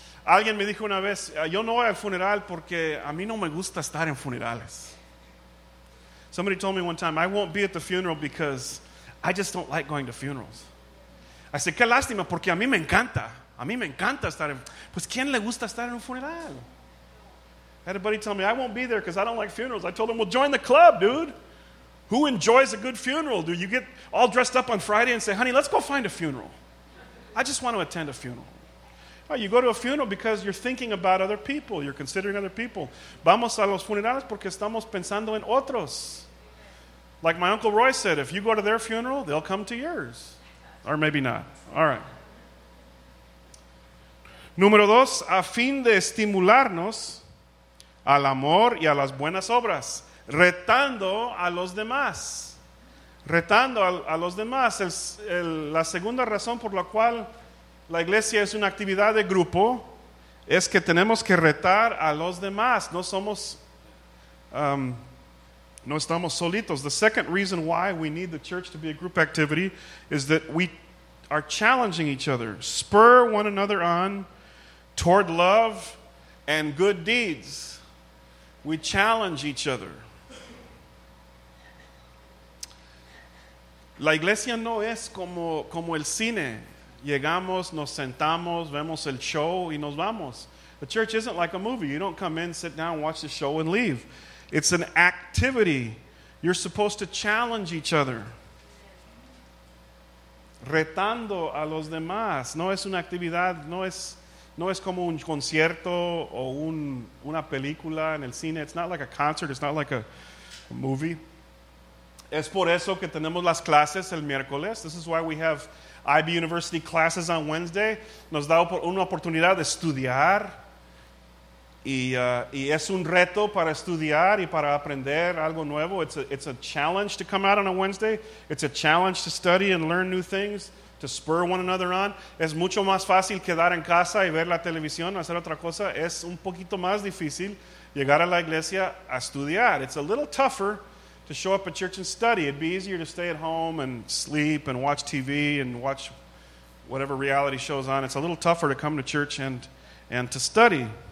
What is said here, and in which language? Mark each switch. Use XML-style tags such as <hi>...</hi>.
<es>Alguien me dijo una vez, yo no voy al funeral porque a mí no me gusta estar en funerales.</es> <en>Somebody told me one time, I won't be at the funeral because I just don't like going to funerals. I said,</en> <es>qué lástima, porque a mí me encanta. A mí me encanta estar en... Pues, ¿quién le gusta estar en un funeral?</es> <en>I had a buddy tell me, I won't be there because I don't like funerals. I told him, well, join the club, dude. Who enjoys a good funeral? Do you get all dressed up on Friday and say, honey, let's go find a funeral. I just want to attend a funeral. Oh, you go to a funeral because you're thinking about other people. You're considering other people.</en> <es>Vamos a los funerales porque estamos pensando en otros.</es> <en>Like my Uncle Roy said, if you go to their funeral, they'll come to yours. Or maybe not. All right.</en> <es>Número dos, a fin de estimularnos al amor y a las buenas obras, retando a los demás. Retando a los demás. La segunda razón por la cual la iglesia es una actividad de grupo es que tenemos que retar a los demás. No estamos solitos.</es> <en>The second reason why we need the church to be a group activity is that we are challenging each other. Spur one another on toward love and good deeds. We challenge each other.</en> <es>La iglesia no es como el cine. Llegamos, nos sentamos, vemos el show y nos vamos.</es> <en>The church isn't like a movie. You don't come in, sit down, watch the show and leave. It's an activity. You're supposed to challenge each other.</en> <es>Retando a los demás. No es una actividad, no es como un concierto o una película en el cine.</es> <en>It's not like a concert. It's not like a movie.</en> <es>Es por eso que tenemos las clases el miércoles.</es> <en>This is why we have IB University classes on Wednesday.</en> <es>Nos da una oportunidad de estudiar. Y es un reto para estudiar y para aprender algo nuevo.</es> <en>It's a challenge to come out on a Wednesday. It's a challenge to study and learn new things, to spur one another on.</en> <es>Es mucho más fácil quedar en casa y ver la televisión, hacer otra cosa. Es un poquito más difícil llegar a la iglesia a estudiar.</es> <en>It's a little tougher to show up at church and study. It'd be easier to stay at home and sleep and watch TV and watch whatever reality shows on. It's a little tougher to come to church and to study.</en>